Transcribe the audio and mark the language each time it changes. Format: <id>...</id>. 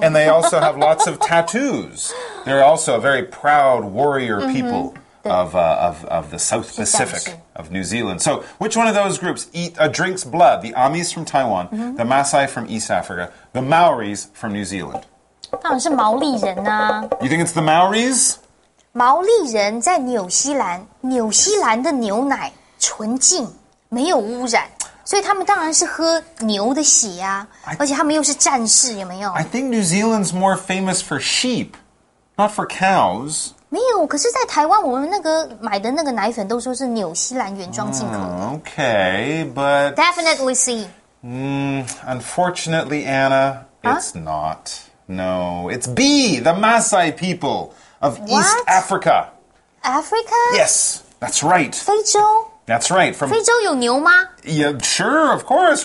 <en>And they also have lots of tattoos. They're also a very proud warrior people. Of the South Pacific of New Zealand. So, which one of those groups drinks blood? The Amis from Taiwan, the Maasai from East Africa, the Maoris from New Zealand.</en> <zh>当然是毛利人啊。</zh> <en>You think it's the Maoris?</en> <zh>毛利人在纽西兰，纽西兰的牛奶纯净，没有污染，所以他们当然是喝牛的血啊。而且他们又是战士，有没有</zh> <en>？I think New Zealand's more famous for sheep, not for cows.</en> <zh>没有，可是在台湾我们那个买的那个奶粉都说是纽西兰原装进口的。</zh> <en>Okay, but... Definitely see. Unfortunately, Anna, it's not. No, it's B, the Maasai people of East Africa. Africa? Yes, that's right.</en> <zh>非洲?</zh> <en>That's right.</en> <zh>非洲有牛吗?</zh> <en>Yeah, sure, of course.</en>